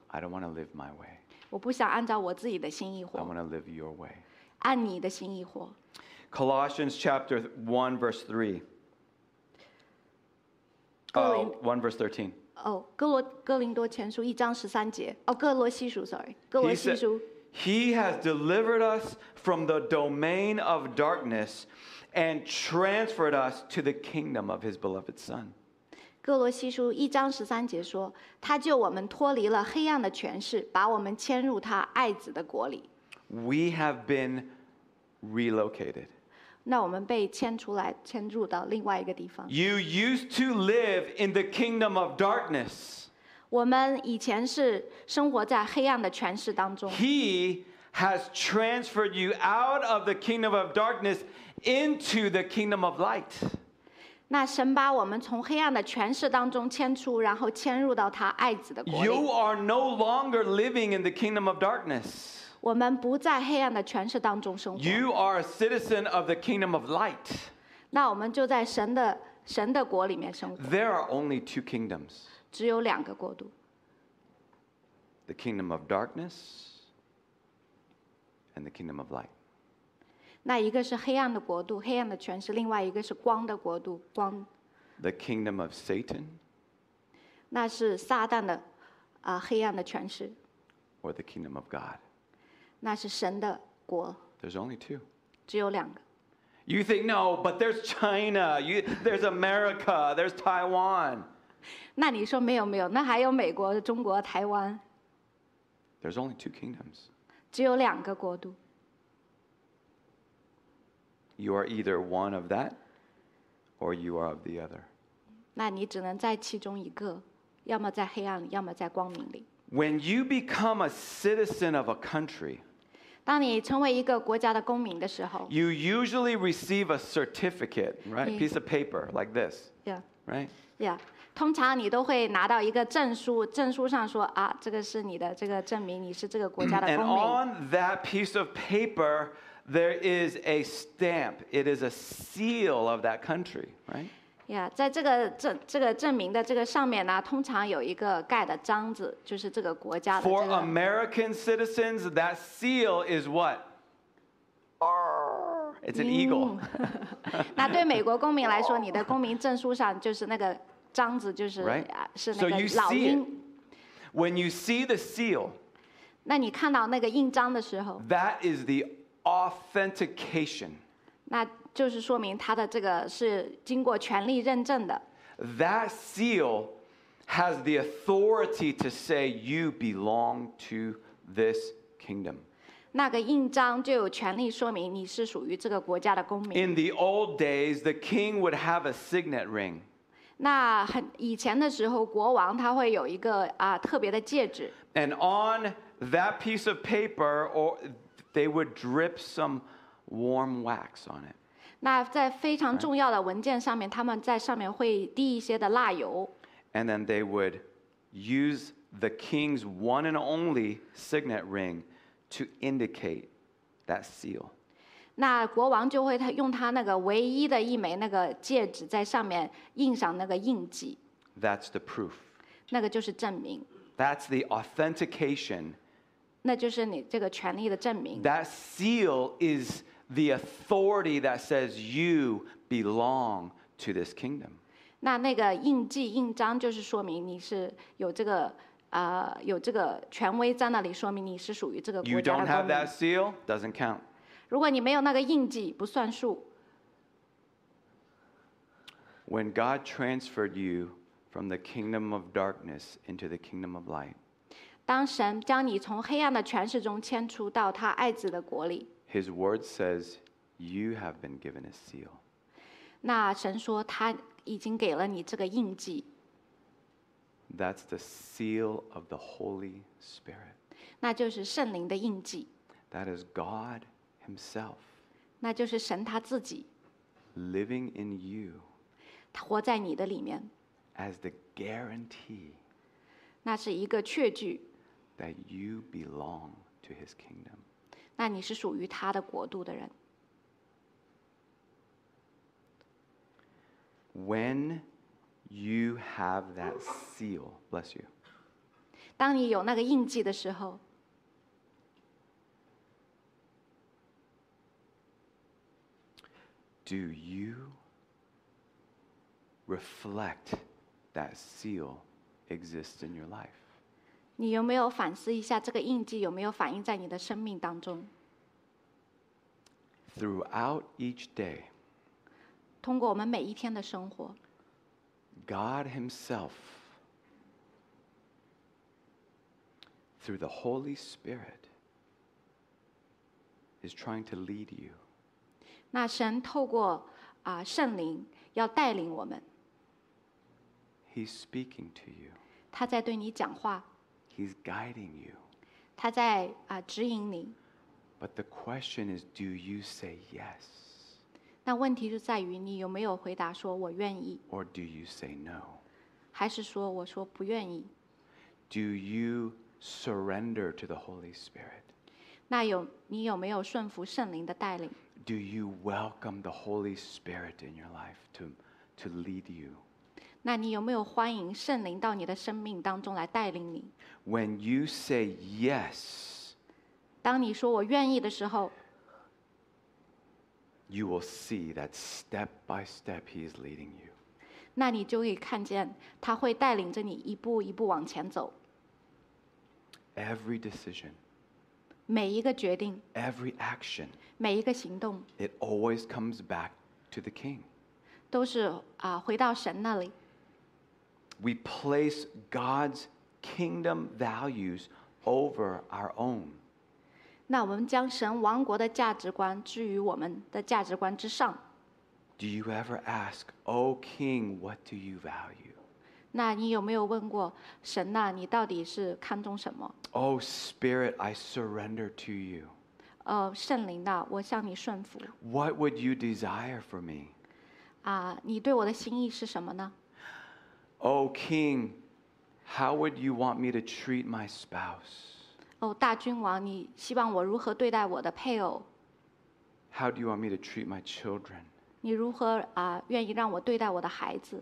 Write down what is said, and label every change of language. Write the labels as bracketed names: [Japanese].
[English] I don't want to live my way. [Chinese] 我不想按照我自己的心意活。 [English] I want to live your way. [Chinese] 按你的心意活。 [English] Colossians chapter 1 verse 3. 1 verse 13. [Chinese] 哥林多前书一章十三节。哥罗西书 ，sorry， 哥罗西书。 [English] He has delivered us from the domain of darkness. And transferred us to the kingdom of his beloved son. [Chinese] 哥罗西书一章十三节说，他救我们脱离了黑暗的权势，把我们迁入他爱子的国里。 [English] We have been relocated. [Chinese] 那我们被迁出来，迁入到另外一个地方。 [English] You used to live in the kingdom of darkness. [Chinese] 我们以前是生活在黑暗的权势当中。 [English] He has transferred you out of the kingdom of darkness. Into the kingdom of light. [Chinese] 那神把我们从黑暗的权势当中迁出，然后迁入到他爱子的国里。 [English] You are no longer living in the kingdom of darkness. [Chinese] 我们不在黑暗的权势当中生活。 [English] You are a citizen of the kingdom of light. [Chinese] 那我们就在神的国里面生活。 [English] There are only two kingdoms. [Chinese] 只有两个国度。 [English] The kingdom of darkness and the kingdom of light. [Chinese] 那一个是黑暗的国度，黑暗的权势；另外一个是光的国度，光。 [English] The kingdom of Satan. [Chinese] 那是撒旦的，黑暗的权势。 [English] Or the kingdom of God. [Chinese] 那是神的国。 [English] There's only two. [Chinese] 只有两个。 [English] You think no, but there's China. There's America. There's Taiwan. [Chinese] 那你说没有没有，那还有美国、中国、台湾。 [English] There's only two kingdoms. [Chinese] 只有两个国度。 [English] You are either one of that, or you are of the other. [Chinese] 那你只能在其中一个，要么在黑暗，要么在光明里。 [English] When you become a citizen of a country, [Chinese] 当你成为一个国家的公民的时候 [English] ，you usually receive a certificate, right? Piece of paper like this. Yeah. Right. Yeah. [Chinese] 通常你都会拿到一个证书，证书上说啊，这个是你的这个证明，你是这个国家的公民。 [English] And on that piece of paper. There is a stamp. It is a seal of that country, right? [Chinese] Yeah, 在这个证明的这个上面呢，通常有一个盖的章子，就是这个国家的、这个。 [English] For American citizens, that seal is what? It's an eagle. [Chinese] 那对美国公民来说，你的公民证书上就是那个章子，就是、 [English] right? [Chinese] 是那个老鹰。 [English] So you see it. When you see the seal. [Chinese] 那你看到那个印章的时候 [English] ，That is the authentication. [Chinese] 那就是说明它的这个是经过权力认证的。 [English] That seal has the authority to say you belong to this kingdom. [Chinese] 那个印章就有权利说明你是属于这个国家的公民。 [English] In the old days, the king would have a signet ring. [Chinese] 那很以前的时候，国王他会有一个特别的戒指。 [English] And on that piece of paper, or they would drip some warm wax on it. [Chinese] 那在非常重要的文件上面，他们在上面会滴一些的蜡油。 [English] And then they would use the king's one and only signet ring. To indicate that seal. [Chinese] 那国王就会用他那个唯一的一枚那个戒指在上面印上那个印记。 [English] That's the proof. [Chinese] 那个就是证明。 [English] That's the authentication. [Chinese] 那就是你这个权力的证明。 [English] That seal is the authority that says you belong to this kingdom. [Chinese] 那那个印记印章就是说明你是有这个。有这个权威在那里，说明你是属于这个国家的公民。 [English] You don't have that seal, doesn't count. [Chinese] 如果你没有那个印记，不算数。 [English] When God transferred you from the kingdom of darkness into the kingdom of light, [Chinese] 当神将你从黑暗的权势中迁出到他爱子的国里 [English] ，His word says you have been given a seal. [Chinese] 那神说他已经给了你这个印记。 [English] That's the seal of the Holy Spirit. [Chinese] 那就是圣灵的印记。 [English] That is God Himself. [Chinese] 那就是神他自己。 [English] Living in you. [Chinese] 活在你的里面。 [English] As the guarantee. [Chinese] 那是一个确据。 [English] That you belong to His kingdom. [Chinese] 那你是属于他的国度的人。 [English] When. You have that seal. Bless you. [Chinese] 当你有那个印记的时候 [English] Do you reflect that seal exists in your life? [Chinese] 你有没有反思一下这个印记有没有反映在你的生命当中 [English] Throughout each day, [Chinese] 通过我们每一天的生活 [English] God Himself, through the Holy Spirit, is trying to lead you. [Chinese] 那神透过圣灵要带领我们。 [English] He's speaking to you. [Chinese] 他在对你讲话。 [English] He's guiding you. [Chinese] 他在指引你。 [English] But the question is, do you say yes? [Chinese] 那问题就在于你有没有回答说我愿意 [English] Or do you say no? [Chinese] 还是说我说不愿意 [English] Do you surrender to the Holy Spirit? [Chinese] 那你有没有顺服圣灵的带领 [English] Do you welcome the Holy Spirit in your life to lead you? [Chinese] 那你有没有欢迎圣灵到你的生命当中来带领你 [English] When you say yes, [Chinese] 当你说我愿意的时候 [English] You will see that step by step he is leading you. [Chinese] 那你就会看见他会带领着你一步一步往前走。 [English] Every decision. [Chinese] 每一个决定。 [English] Every action. [Chinese] 每一个行动。 [English] It always comes back to the king. [Chinese] 都是回到神那里。 [English] We place God's kingdom values over our own. [Chinese] 那我们将神王国的价值观置于我们的价值观之上。 [English] Do you ever ask, O King, what do you value? [Chinese] 那你有没有问过神呐？你到底是看重什么 [English] ？O Spirit, I surrender to you. [Chinese] 圣灵呐，我向你顺服。 [English] What would you desire for me? [Chinese] 你对我的心意是什么呢 [English] ？O King, how would you want me to treat my spouse? [Chinese] 大君王，你希望我如何对待我的配偶 [English] ？How do you want me to treat my children？ [Chinese] 你如何愿意让我对待我的孩子